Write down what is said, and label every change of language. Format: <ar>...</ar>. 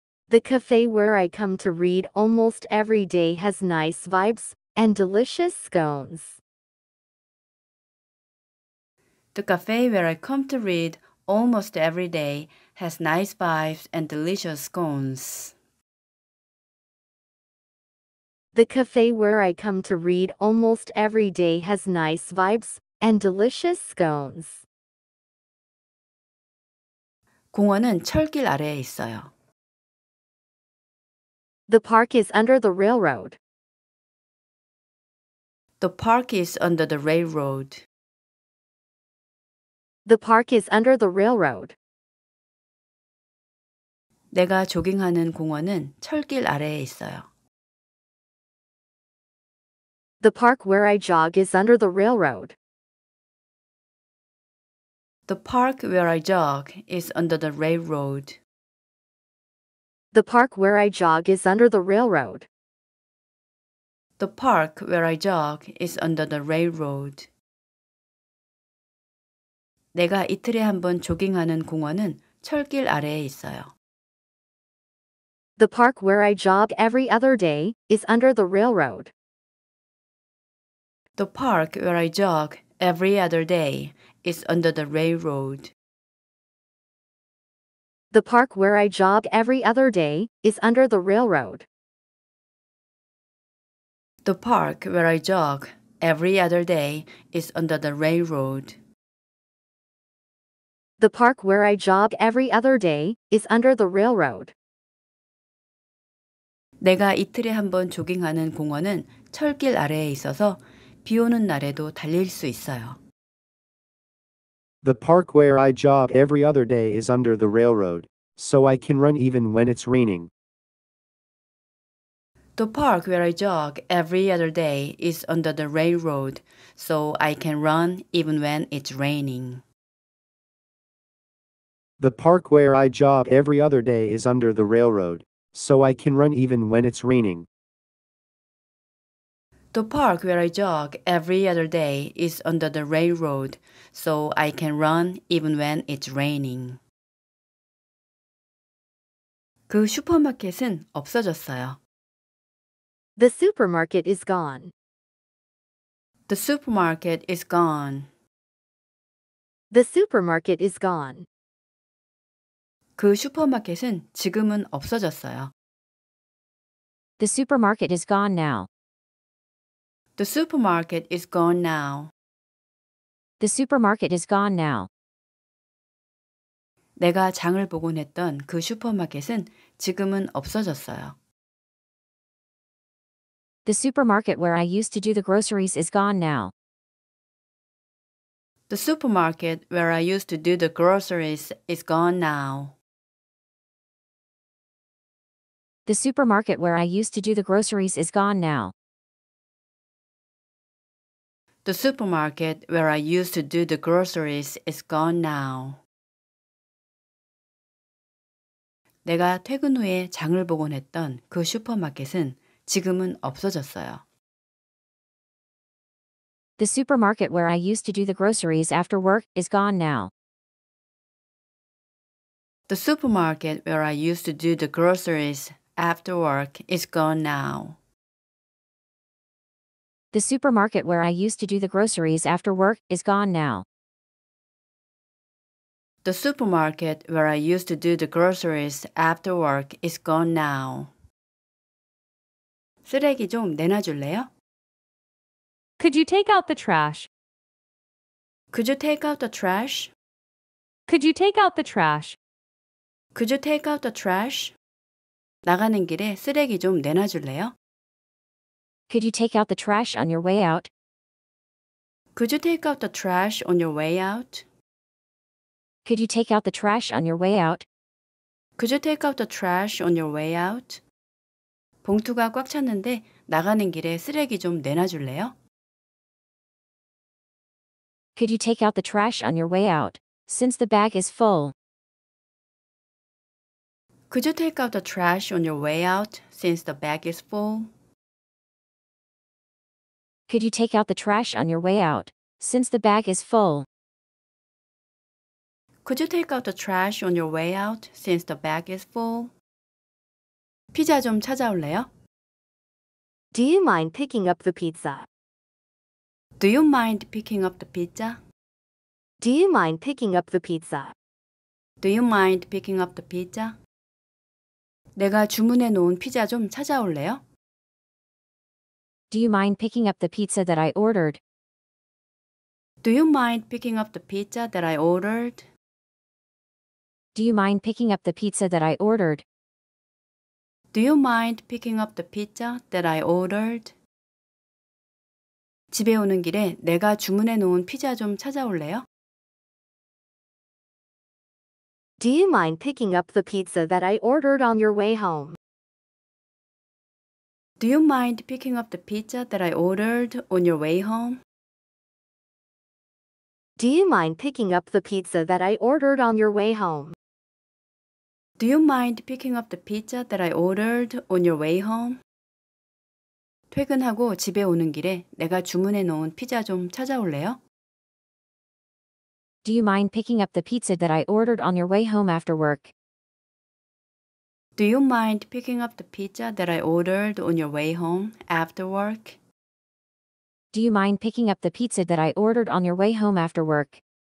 <en>The cafe where I come to read almost every day has nice vibes and delicious scones. The cafe where I come to read almost every day has nice vibes and delicious scones. The cafe where I come to read almost every day has nice vibes and delicious scones.</en> <ko>공원은 철길 아래에 있어요.</ko> <en>The park is under the railroad. The park is under the railroad. The park is under the railroad.</en> <ko>내가 조깅하는 공원은 철길 아래에 있어요.</ko> <en>The park where I jog is under the railroad. The park where I jog is under the railroad. The park where I jog is under the railroad. The park where I jog is under the railroad.</en> <ko>내가 이틀에 한 번 조깅하는 공원은 철길 아래에 있어요.</ko> <en>The park where I jog every other day is under the railroad. The park where I jog every other day is under the railroad. The park where I jog every other day is under the railroad. The park where I jog every other day is under the railroad. The park where I jog every other day is under the railroad.</en> <ko>내가 이틀에 한 번 조깅하는 공원은 철길 아래에 있어서 비 오는 날에도 달릴 수 있어요.</ko> <en>The park where I jog every other day is under the railroad, so I can run even when it's raining. The park where I jog every other day is under the railroad, so I can run even when it's raining. The park where I jog every other day is under the railroad, so I can run even when it's raining. The park where I jog every other day is under the railroad, so I can run even when it's raining.</en> <ko>그 슈퍼마켓은 없어졌어요.</ko> <en>The supermarket is gone. The supermarket is gone. The supermarket is gone.</en> <ko>그 슈퍼마켓은 지금은 없어졌어요.</ko> <en>The supermarket is gone now. The supermarket is gone now. The supermarket is gone now.</en> <ko>내가 장을 보곤 했던 그 슈퍼마켓은 지금은 없어졌어요.</ko> <en>The supermarket where I used to do the groceries is gone now. The supermarket where I used to do the groceries is gone now. The supermarket where I used to do the groceries is gone now. The supermarket where I used to do the groceries is gone now.</en> <ko>내가 퇴근 후에 장을 보곤 했던 그 슈퍼마켓은 지금은 없어졌어요.</ko> <en>The supermarket where I used to do the groceries after work is gone now. The supermarket where I used to do the groceries after work is gone now. The supermarket where I used to do the groceries after work is gone now. The supermarket where I used to do the groceries after work is gone now.</en> <ko>쓰레기 좀 내놔줄래요?</ko> <en>Could you take out the trash? Could you take out the trash? Could you take out the trash? Could you take out the trash?</en> <ko>나가는 길에 쓰레기 좀 내놔줄래요?</ko> <en>Could you take out the trash on your way out? Could you take out the trash on your way out? Could you take out the trash on your way out? Could you take out the trash on your way out?</en> <ko>봉투가 꽉 찼는데 나가는 길에 쓰레기 좀 내놔줄래요?</ko> <en>Could you take out the trash on your way out, since the bag is full? Could you take out the trash on your way out, since the bag is full? Could you take out the trash on your way out, since the bag is full? Could you take out the trash on your way out, since the bag is full?</en> <ko>피자 좀 찾아올래요?</ko> <en>Do you mind picking up the pizza? Do you mind picking up the pizza? Do you mind picking up the pizza? Do you mind picking up the pizza?</en> <ko>내가 주문해 놓은 피자 좀 찾아올래요?</ko> <en>Do you mind picking up the pizza that I ordered? Do you mind picking up the pizza that I ordered? Do you mind picking up the pizza that I ordered? Do you mind picking up the pizza that I ordered?</en> <ko>집에 오는 길에 내가 주문해 놓은 피자 좀 찾아올래요?</ko> <en>Do you mind picking up the pizza that I ordered on your way home? Do you mind picking up the pizza that I ordered on your way home? Do you mind picking up the pizza that I ordered on your way home? Do you mind picking up the pizza that I ordered on your way home?</en> <ko>퇴근하고 집에 오는 길에 내가 주문해 놓은 피자 좀 찾아올래요?</ko> <en>Do you mind picking up the pizza that I ordered on your way home after work? Do you mind picking up the pizza that I ordered on your way home after work? Do you mind picking up the pizza that I ordered on your way home after work?</en>